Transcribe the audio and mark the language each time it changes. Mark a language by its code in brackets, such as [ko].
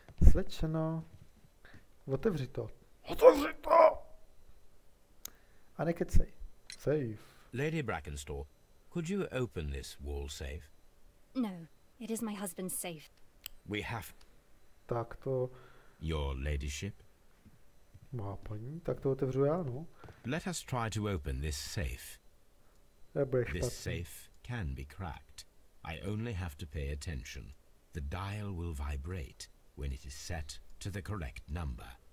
[cs] Slečeno. Otevři to. Otevři to! [en] And I could say, safe. Lady Brackenstall, could you open this wall safe? No, it is my husband's safe. We have... [cs] Tak to... [en] Your ladyship? [cs] Má paní, tak to otevřu já, no. [en] Let us try to open this safe. This safe can be cracked. I only have to pay attention. The dial will vibrate when it is set to the correct number.